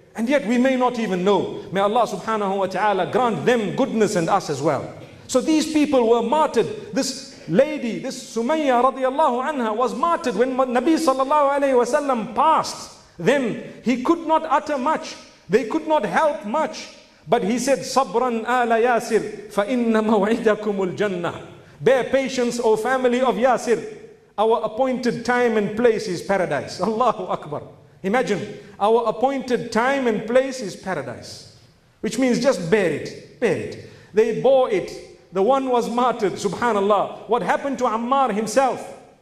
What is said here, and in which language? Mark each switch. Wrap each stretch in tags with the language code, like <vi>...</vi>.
<en>And yet we may not even know. May Allah subhanahu wa ta'ala grant them goodness and us as well. So these people were martyred. This lady, this Sumayya radiallahu anha, was martyred when Nabi sallallahu alayhi wa sallam passed. Then he could not utter much. They could not help much. But he said,</en> <ar>صَبْرًا آلَ يَاسِرٍ فَإِنَّ مَوْعِدَكُمُ الْجَنَّةِ.</ar> <en>Bear patience, O family of Yasir. Our appointed time and place is paradise. Allahu Akbar. Imagine, our appointed time and place is paradise. Which means just bear it, bear it. They bore it. The one was martyred, subhanallah. What happened to Ammar himself?</en>